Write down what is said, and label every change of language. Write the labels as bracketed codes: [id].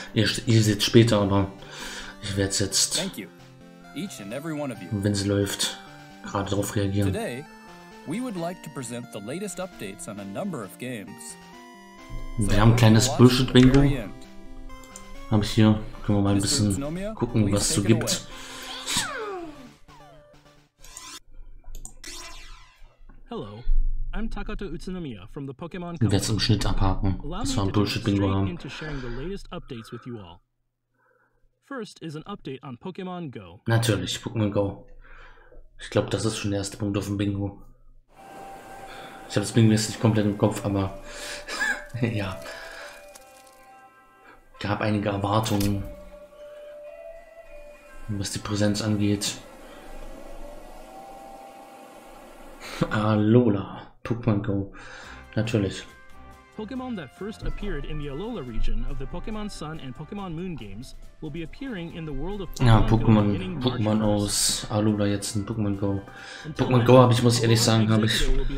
[de] Ihr seht es später, aber ich werde es jetzt, wenn sie läuft, gerade darauf reagieren. [en] Today, we would like to present the latest updates on a number of games. [de] Wir haben ein kleines Bullshit-Bingo. Hab ich hier. Können wir mal ein bisschen gucken, was es so gibt. [en] Hello, I'm Takato Utsunomiya from the Pokémon Company. [de] Wir werden es im Schnitt abhaken, dass wir ein Bullshit-Bingo haben. [en] Into sharing the latest updates with you all. First is an update on Pokémon Go. [de] Natürlich, Pokémon Go. Ich glaube, das ist schon der erste Punkt auf dem Bingo. Ich habe das Bingo jetzt nicht komplett im Kopf, aber ja. Gab einige Erwartungen, was die Präsenz angeht. Alola, Pokémon Go. Natürlich. [en] Pokémon that first appeared in the Alola region of the Pokémon Sun and Pokémon Moon games will be appearing in the world of [de] Pokémon. Ja, Pokémon aus Alola jetzt in Pokémon Go. Pokémon Go habe ich, muss ich ehrlich sagen, habe ich.